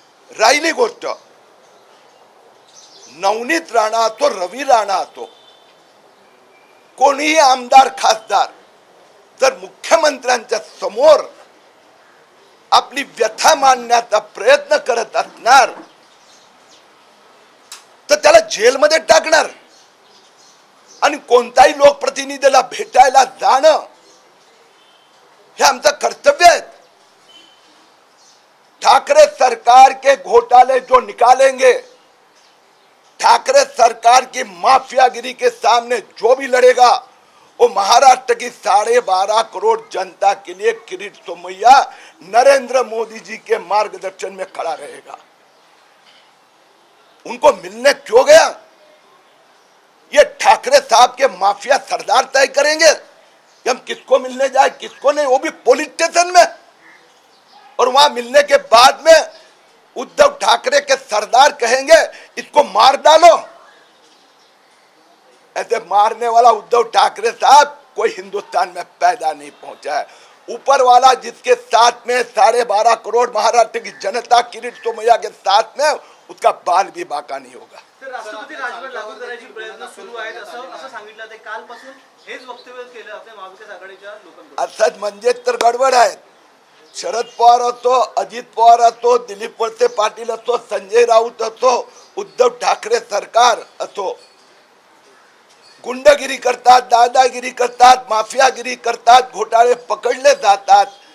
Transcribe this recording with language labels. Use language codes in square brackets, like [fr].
[mr] राहिली गोष्ट नवनीत राणा असो रवी राणा असो, कोणीही आमदार खासदार जर मुख्यमंत्र्यांच्या समोर आपली व्यथा मांडण्याचा प्रयत्न करत असणार तर त्याला जेलमध्ये टाकणार. आणि कोणत्याही लोकप्रतिनिधीला भेटायला जाणं हे आमचं कर्तव्य आहे. [hi] ठाकरे सरकार के घोटाले जो निकालेंगे, ठाकरे सरकार की माफियागिरी के सामने जो भी लड़ेगा, वो महाराष्ट्र की 12.5 करोड़ जनता के लिए किरीट सोमय्या नरेंद्र मोदी जी के मार्गदर्शन में खड़ा रहेगा. उनको मिलने क्यों गया? ये ठाकरे साहब के माफिया सरदार तय करेंगे कि हम किसको मिलने जाए किसको नहीं, वो भी पुलिस स्टेशन में. और वहां मिलने के बाद में उद्धव ठाकरे के सरदार कहेंगे इसको मार डालो. ऐसे मारने वाला उद्धव ठाकरे साहब कोई हिंदुस्तान में पैदा नहीं पहुंचा है. ऊपर वाला जिसके साथ में 12.5 करोड़ महाराष्ट्र की जनता किरीट सोमय्या के साथ में, उसका बाल भी बाका नहीं होगा. [mr] राष्ट्रपती राजवट लागू करण्याची प्रयत्न सुरू आहेत असं असं सांगितलं. ते कालपासून हेच वक्तव्य केलं आपल्या महाविकास आघाडीच्या लोकांनी. अर्थात म्हणजे तर गडबड आहे. शरद पवार असो, अजित पवार असो, दिलीप वळसे पाटील असो, संजय राऊत असो, उद्धव ठाकरे सरकार असो, गुंडगिरी करतात, दादागिरी करतात, माफियागिरी करतात, घोटाळे पकडले जातात.